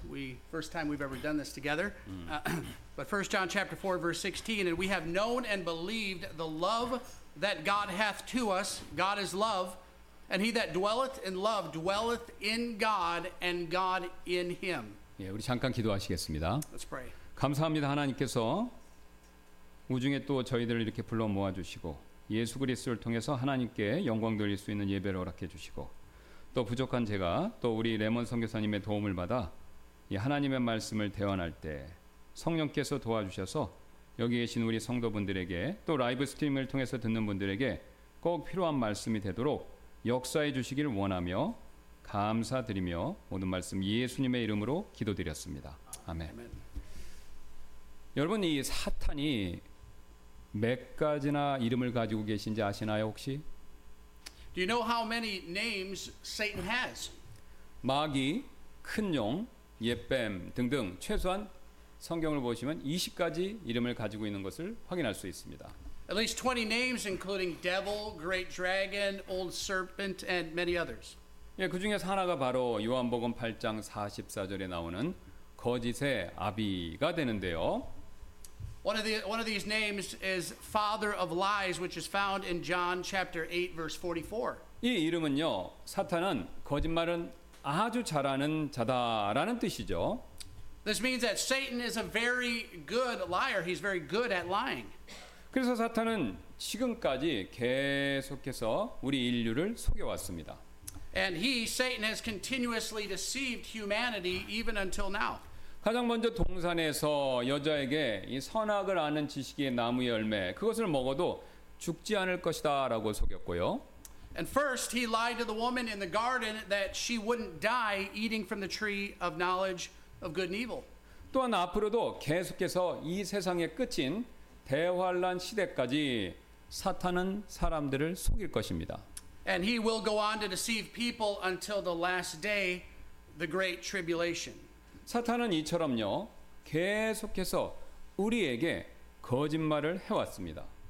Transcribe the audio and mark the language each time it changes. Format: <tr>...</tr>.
<en>We first time we've ever done this together. But 1 John chapter 4 verse 16, and we have known and believed the love that God hath to us. God is love. And he that dwelleth in love dwelleth in God, and God in him.</en> <ko>예, 우리 잠깐 기도하시겠습니다.</ko> <en>Let's pray.</en> <ko>감사합니다, 하나님께서 우중에 또 저희들을 이렇게 불러 모아 주시고 예수 그리스도를 통해서 하나님께 영광 돌릴 수 있는 예배를 허락해 주시고 또 부족한 제가 또 우리 레몬 선교사님의 도움을 받아 이 하나님의 말씀을 대언할 때 성령께서 도와주셔서 여기 계신 우리 성도분들에게 또 라이브 스트림을 통해서 듣는 분들에게 꼭 필요한 말씀이 되도록 역사해 주시길 원하며 감사드리며 모든 말씀 예수님의 이름으로 기도드렸습니다. 아멘. 아멘. 여러분 이 사탄이 몇 가지나 이름을 가지고 계신지 아시나요 혹시?</ko> <en>Do you know how many names Satan has?</en> <ko>마귀, 큰용, 옛뱀 등등 최소한 성경을 보시면 20가지 이름을 가지고 있는 것을 확인할 수 있습니다.</ko> <en>At least 20 names, including devil, great dragon, old serpent, and many others.</en> <ko>예, 그 중에서 하나가 바로 요한복음 8장 44절에 나오는 거짓의 아비가 되는데요.</ko> <en>One of these names is Father of Lies, which is found in John chapter 8, verse 44.</en> <ko>이 이름은요, 사탄은 거짓말은 아주 잘하는 자다라는 뜻이죠.</ko> <en>This means that Satan is a very good liar. He's very good at lying.</en> <ko>그래서 사탄은 지금까지 계속해서 우리 인류를 속여왔습니다.</ko> <en>And he, Satan, has continuously deceived humanity even until now.</en> <ko>가장 먼저 동산에서 여자에게 이 선악을 아는 지식의 나무 열매 그것을 먹어도 죽지 않을 것이다 라고 속였고요.</ko> <en>And first he lied to the woman in the garden that she wouldn't die eating from the tree of knowledge of good and evil.</en> <ko>또한 앞으로도 계속해서 이 세상의 끝인 대환란 시대까지 사탄은 사람들을 속일 것입니다.</ko> <en>And he will go on to deceive people until the last day, the great tribulation.</en> <ko>사탄은 이처럼요 계속해서 우리에게 거짓말을 해왔습니다.</ko>